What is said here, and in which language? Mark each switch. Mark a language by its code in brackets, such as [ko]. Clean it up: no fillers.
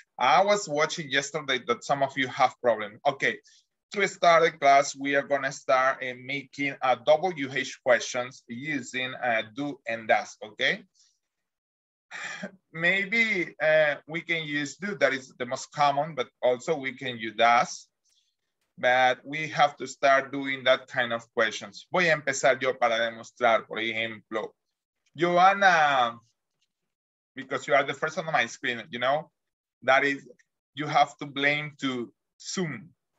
[en] I was watching yesterday that some of you have problems. Okay, to start the class, we are gonna start making a WH questions using do and does, okay? Maybe we can use do, that is the most common, but also we can use does. But we have to start doing that kind of questions. [es] Voy a empezar yo para demostrar, por ejemplo. [en] Joanna, because you are the first on my screen, you know, that is, you have to blame to Zoom.